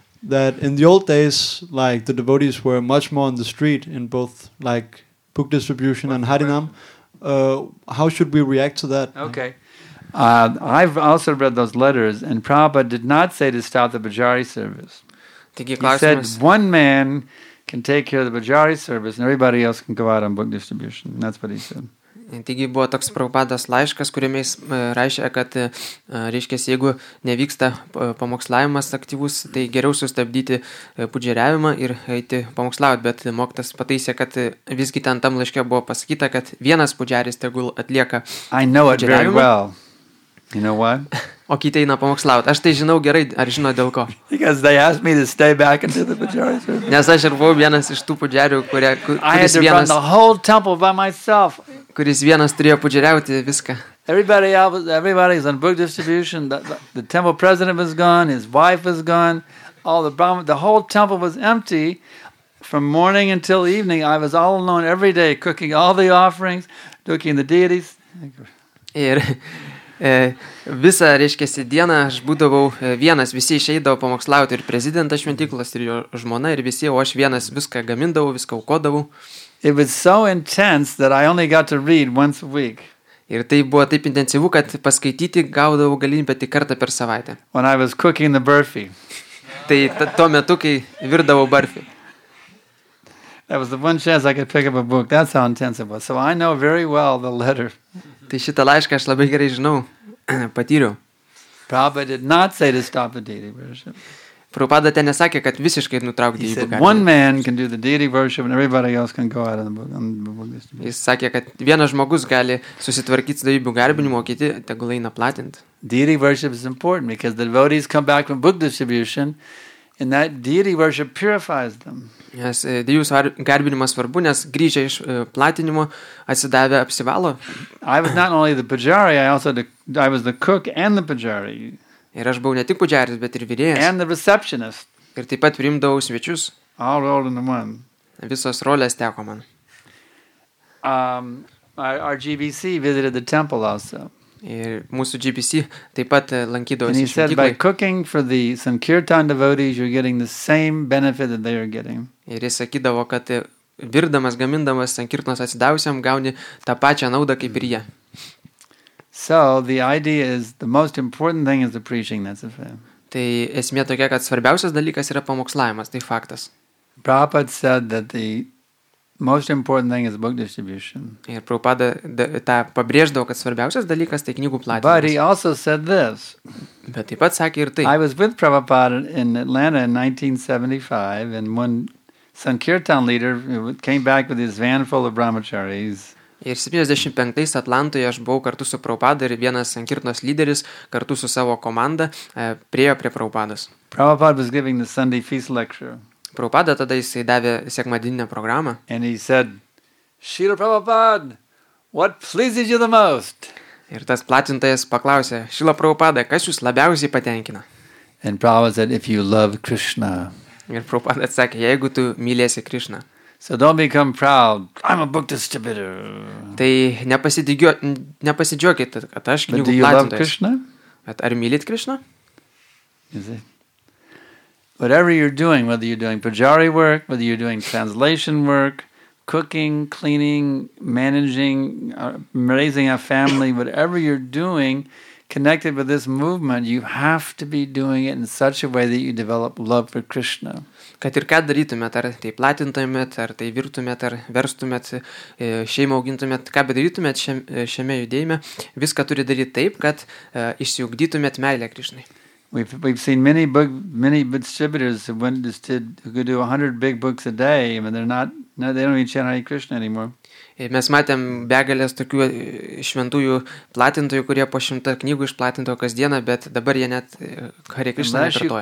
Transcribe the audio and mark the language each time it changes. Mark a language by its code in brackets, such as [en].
[en] that in the old days, like, the devotees were much more on the street in both, like, book distribution and Harinam. How should we react to that? Okay. I've also read those letters, and Prabhupada did not say to stop the Bhajari service. He said one man can take care of the Bhajari service and everybody else can go out on book distribution. That's what he said. [lt] Taigi buvo toks Prabhupadas laiškas, kuriame jis rašė, kad reiškiasi, jeigu nevyksta pamokslavimas aktyvus, tai geriau sustabdyti pudžeriavimą ir eiti pamokslauti, bet moktas pataisė, kad visgi ten tam laiške buvo pasakyta, kad vienas pudžeris tegul atlieka pudžeriavimą. [en] You know why? [lt] O kiti eina pamokslauti. Aš tai žinau gerai, ar žino dėl ko. [en] Because they asked me to stay back and do the pujari service. [lt] Nes aš ir buvau vienas iš tų pudžerių, kuris vienas... [en] I had to run the whole temple by myself. [lt] Kuris vienas turėjo pudžeriauti viską. [en] Everybody is on book distribution. The temple president was gone, his wife was gone. All the Brahma, the whole temple was empty. From morning until evening, I was all alone every day, cooking all the offerings, cooking the deities. [lt] Ir... visą, reiškia, dieną aš būdavau vienas, visi išeidavo pamokslauti ir prezidentas šventyklas ir jo žmona ir visi, o aš vienas viską gamindavau, viską aukodavau. [en] It was so intense that I only got to read once a week. [lt] Ir tai buvo taip intensyvu, kad paskaityti gaudavau galimybę tik kartą per savaitę. [en] When I was cooking the burfi. [lt] Tai tuo metu, kai virdavau burfi. [en] That was the one chance I could pick up a book. That's how intense it was. So I know very well the letter. [lt] Tai šitą laišką aš labai gerai žinau, patyriau. [en] Prabhupada did not say to stop the deity worship. [lt] Prabhupada ten nesakė, kad visiškai nutraukti deity [en] worship. He said one man can do the deity worship and everybody else can go out on the book distribution. [lt] Jis sakė, kad vienas žmogus gali susitvarkyti su deity garbinimu, o kiti tegul eina platinti. [en] Deity worship is important because the devotees come back from book distribution and that deity worship purifies them. [lt] Nes dėjų garbinimas svarbu, nes grįžę iš platinimo atsidavę apsivalo. [en] I was not only the pujari, I was the cook and the pujari. [lt] Ir aš buvau ne tik pujaris, bet ir virėjas. [en] And the receptionist. [lt] Ir taip pat priimdavau svečius. [en] All rolled in one. [lt] Visos rolės teko man. [en] Our GBC visited the temple also. [lt] Ir mūsų GBC taip pat lankydavosi šventykloje. [en] And he said, by cooking for the Sankirtan devotees, you're getting the same benefit that they are getting. [lt] Ir jis sakydavo, kad virdamas, gamindamas Sankirtanos atsidavusiam, gauni tą pačią naudą kaip ir jie. [en] So, the idea is, the most important thing is the preaching, that's a fact. [lt] Tai esmė tokia, kad svarbiausias dalykas yra pamokslavimas, tai faktas. [en] Prabhupada said that the most important thing is book distribution. [lt] Ir Prabhupada tą pabrėždavo, kad svarbiausias dalykas tai knygų platinimas. [en] But he also said this. [lt] Bet taip pat sakė ir tai. [en] I was with Prabhupada in Atlanta in 1975 and one Sankirtan leader came back with his van full of brahmacharis. [lt] Ir 75-ais Atlantoje aš buvau kartu su Prabhupada ir vienas Sankirtanos lyderis kartu su savo komanda priejo prie Prabhupadas. [en] Prabhupada was giving the Sunday feast lecture. [lt] Prabhupada tada jis davė sekmadieninę programą. [en] And he said, Srila Prabhupada, what pleases you the most? [lt] Ir tas platintojas paklausė, Srila Prabhupada, kas jūs labiausiai patenkina? [en] And Prabhupada said, if you love Krishna. [lt] Ir Prabhupada atsakė, jeigu tu mylėsi Krishna. [en] So don't become proud. I'm a book distributor. [lt] Tai nepasidžiuokit, kad aš knygų platintojas. [en] But do you love Krishna? [lt] Bet ar mylit Krishna? [en] Is it? Whatever you're doing, whether you're doing pujari work, whether you're doing translation work, cooking, cleaning, managing, raising a family, whatever you're doing connected with this movement, you have to be doing it in such a way that you develop love for Krishna. [lt] Kad ir ką darytumėt, ar tai platintumėt, ar tai virtumėt, ar verstumėt, šeimą augintumėt, ką bedarytumėt šiame judėjime, viską turi daryti taip, kad išsiugdytumėt meilę Krishnai. [en] We've seen many distributors who could do 100 big books a day, but they don't even chant Hare Krishna anymore. [lt] Mes matėm begalės tokių šventųjų platintojų, kurie po 100 knygų išplatintojo kasdieną, bet dabar jie net Hare Krishna nekartoja.